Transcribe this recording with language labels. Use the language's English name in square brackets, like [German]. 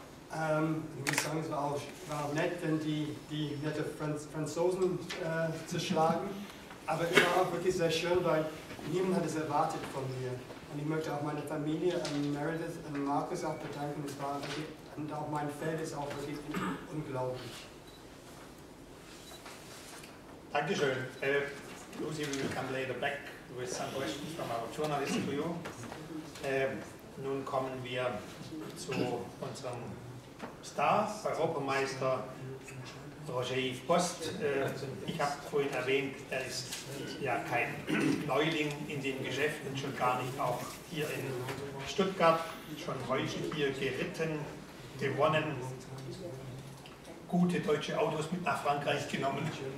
[German] Ich muss sagen, es war auch nett, denn die nette Franzosen zu schlagen. Aber es war auch wirklich sehr schön, weil niemand hat es erwartet von mir. Und ich möchte auch meine Familie, Meredith und Markus auch bedanken. Es war wirklich, und auch mein Feld ist auch wirklich unglaublich. Dankeschön. [English] Lucy, we will come later back with some questions from our journalists to you. [German] Nun kommen wir zu unserem Star, Europameister Roger Yves Post. Ich habe vorhin erwähnt, er ist ja kein Neuling in dem Geschäft und schon gar nicht auch hier in Stuttgart, schon häufig hier geritten, gewonnen, gute deutsche Autos mit nach Frankreich genommen.